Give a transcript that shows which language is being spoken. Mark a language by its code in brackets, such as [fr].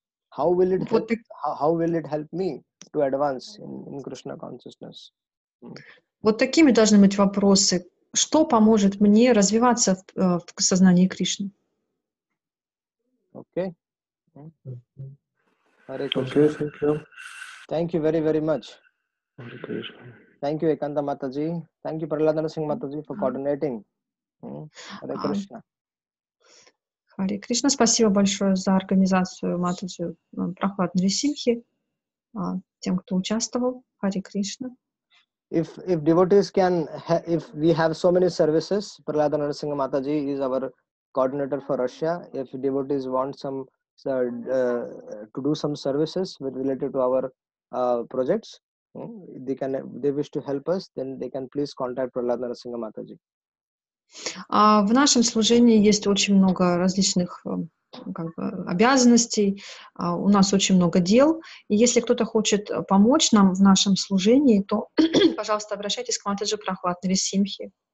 [en] How will it help me to advance in Krishna consciousness? [ru] Вот такими должны быть вопросы. Что поможет мне развиваться в сознании Кришны? [en] Okay. Hare Krishna. Thank you very, very much. Hare Krishna. Thank you, Ekanta Mataji. Thank you, Prahlada Narasingha Mataji, for coordinating. Hare Krishna. Hare Krishna. [ru] Спасибо большое за организацию Матаджи Прохлад Нарасимхи. Тем, кто участвовал, Hare Krishna. [en] If devotees can, if we have so many services, Prahlada Narasingha Mataji is our coordinator for Russia. If devotees want to do some services related to our projects, if they wish to help us, then they can please contact Prahlada Narasingha Mataji. [ru] В нашем служении есть очень много различных обязанностей, у нас очень много дел, и если кто-то хочет помочь нам в нашем служении, то, пожалуйста, обращайтесь к Матаджи Прохлад Нарасимхи.